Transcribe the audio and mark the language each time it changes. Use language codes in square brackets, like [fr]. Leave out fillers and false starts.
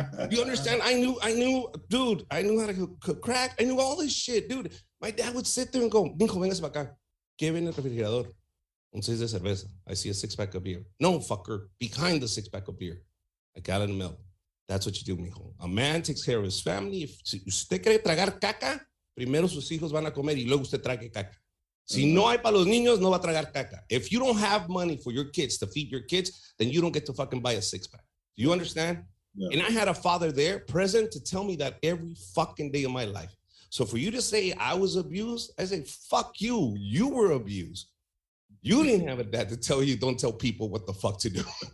[en] You understand? I knew how to cook crack. I knew all this shit, dude. My dad would sit there and go, mijo, vengas para acá. ¿Qué viene el refrigerador? Un seis de cerveza. I see a six-pack of beer. No, fucker. Behind the six-pack of beer, a gallon of milk. That's what you do, mijo. A man takes care of his family. [es] If usted quiere tragar caca, primero sus hijos van a comer y luego usted trague caca. Si no hay para los niños, no va a tragar caca. [en] If you don't have money for your kids to feed your kids, then you don't get to fucking buy a six-pack. Do you understand? Yeah. And I had a father there present to tell me that every fucking day of my life. So for you to say I was abused, I say, fuck you. You were abused. You didn't have a dad to tell you, don't tell people what the fuck to do.